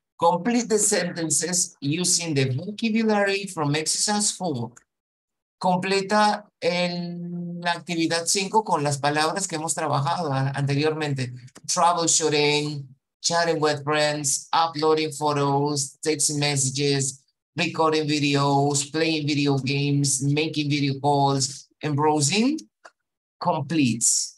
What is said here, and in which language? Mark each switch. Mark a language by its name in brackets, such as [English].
[English] Complete the sentences using the vocabulary from exercise 4. [Spanish] Completa la actividad 5 con las palabras que hemos trabajado anteriormente. Troubleshooting, [English] chatting with friends, uploading photos, text messages, recording videos, playing video games, making video calls, and browsing completes.